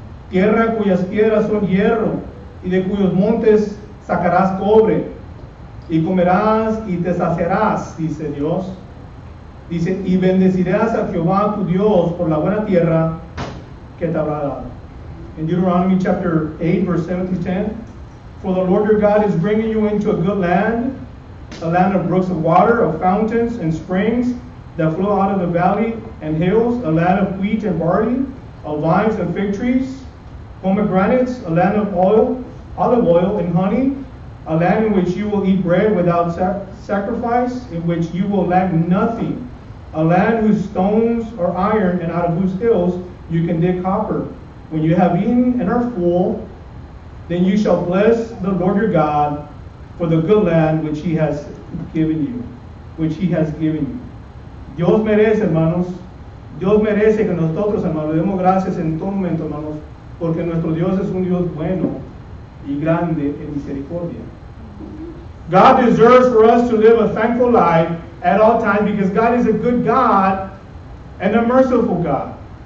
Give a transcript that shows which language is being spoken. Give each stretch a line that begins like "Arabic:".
Spanish: Tierra cuyas piedras son hierro, y de cuyos montes sacarás cobre, y comerás y te saciarás, dice Dios. Dice, y bendecirás a Jehová tu Dios por la buena tierra que te habrá dado.
English: En Deuteronomy chapter 8, verse 7 to 10. For the Lord your God is bringing you into a good land, a land of brooks of water, of fountains and springs that flow out of the valley and hills, a land of wheat and barley, of vines and fig trees, pomegranates, a land of oil, olive oil and honey, a land in which you will eat bread without sacrifice, in which you will lack nothing, a land whose stones are iron and out of whose hills you can dig copper. When you have eaten and are full, then you shall bless the Lord your God for the good land which he has given you. Which he has given you.
Spanish: Dios merece, hermanos. Dios merece que nosotros, hermanos, le demos gracias en todo momento, hermanos. Porque nuestro Dios es un Dios bueno y grande en misericordia.
English: God deserves for us to live a thankful life at all times because God is a good God and a merciful God.